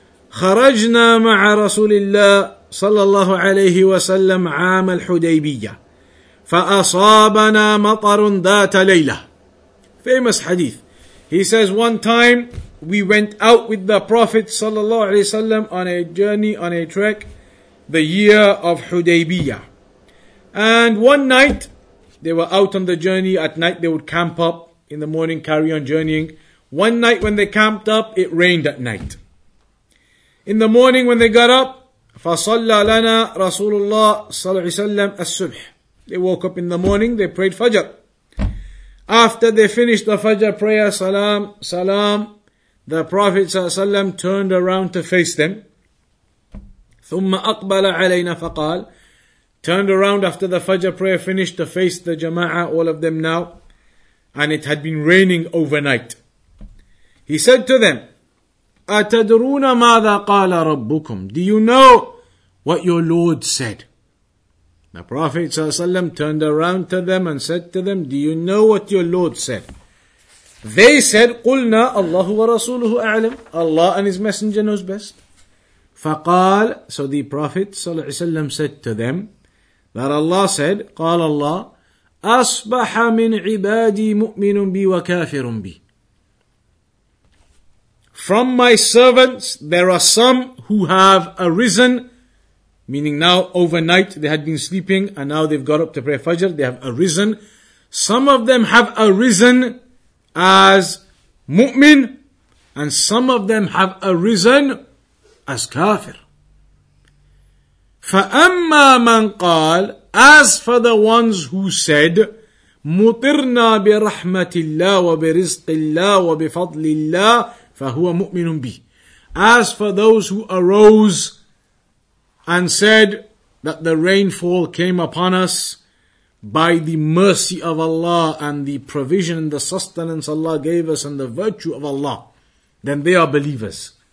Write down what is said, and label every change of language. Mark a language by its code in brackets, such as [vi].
[ar] خرجنا مع رسول الله صلى الله عليه وسلم عام الحديبية فأصابنا مطر ذات ليلة. [en] Famous hadith. He says, one time we went out with the Prophet [ar] صلى الله عليه وسلم [en] on a journey, on a trek, the year of Hudaybiyah. And one night, they were out on the journey. At night they would camp up, in the morning carry on journeying. One night when they camped up, it rained at night. In the morning when they got up, [ar] فَصَلَّ لَنَا رَسُولُ اللَّهِ صَلَّى اللَّهُ عَلَيْهِ وَسَلَّمْ السُّبْحِ. [en] They woke up in the morning, they prayed Fajr. After they finished the Fajr prayer, salam, salam, the Prophet ﷺ turned around to face them. [ar] ثُمَّ أَقْبَلَ عَلَيْنَا فَقَالَ. [en] Turned around after the Fajr prayer finished to face the Jama'ah, all of them now. And it had been raining overnight. He said to them, [ar] أَتَدْرُونَ مَاذَا قَالَ رَبُّكُمْ. [en] Do you know what your Lord said? The Prophet ﷺ turned around to them and said to them, do you know what your Lord said? They said, [ar] قُلْنَا اللَّهُ وَرَسُولُهُ أَعْلَمُ. [en] Allah and His Messenger knows best. [ar] فقال, [en] so the Prophet ﷺ said to them, that Allah said, [ar] قال الله, أَصْبَحَ مِنْ عِبَادِي مُؤْمِنٌ بِي وَكَافِرٌ بِي. [en] From my servants, there are some who have arisen, meaning now overnight they had been sleeping and now they've got up to pray Fajr, they have arisen. Some of them have arisen as mu'min and some of them have arisen as kafir. [ar] فَأَمَّا مَنْ قَالَ, [en] as for the ones who said, [ar] مُطِرْنَا بِرَحْمَةِ اللَّهِ وَبِرِزْقِ اللَّهِ وَبِفَضْلِ اللَّهِ فَهُوَ مُؤْمِنٌ بِهِ. [en] As for those who arose and said that the rainfall came upon us by the mercy of Allah and the provision and the sustenance Allah gave us and the virtue of Allah, then they are believers.